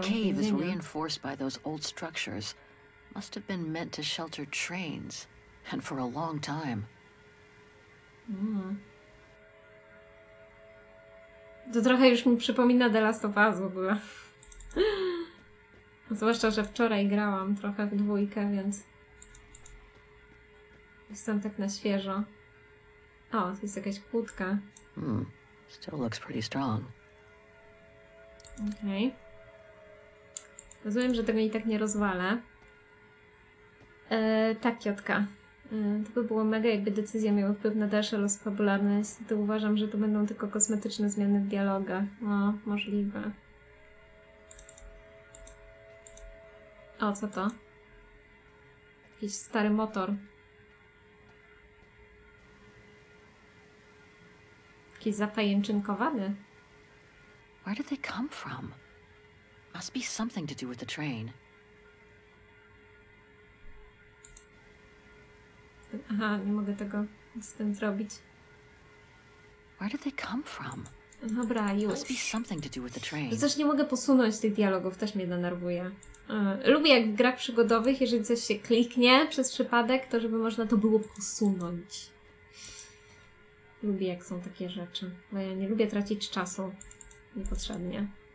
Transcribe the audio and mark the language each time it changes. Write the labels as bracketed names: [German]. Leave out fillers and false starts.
[English] This cave is reinforced by those old structures. Must have been meant to shelter trains, and for a long time. [Polish] To trochę już mi przypomina The Last of Us w ogóle. Zwłaszcza, że wczoraj grałam trochę w dwójkę, więc... jestem tak na świeżo. O, to jest jakaś kłódka. [English] Still looks pretty strong. [Polish] Okej. Rozumiem, że tego i tak nie rozwalę. Tak, Jotka. To by było mega, jakby decyzja miała wpływ na dalsze losy fabularne. Niestety uważam, że to będą tylko kosmetyczne zmiany w dialogach. No, możliwe. O, co to? Jakiś stary motor. Jakiś zapajęczynkowany. [English] Where did they come from? Must be something to do with the train. [Polish] Aha, nie mogę tego z tym zrobić. [English] Where did they come from? [Polish] Dobra, już. [English] Must be something to do with the train. [Polish] Zresztą nie mogę posunąć tych dialogów, też mnie denerwuje. Lubię jak w grach przygodowych, jeżeli coś się kliknie przez przypadek, to żeby można to było posunąć. Lubię jak są takie rzeczy, bo ja nie lubię tracić czasu niepotrzebnie.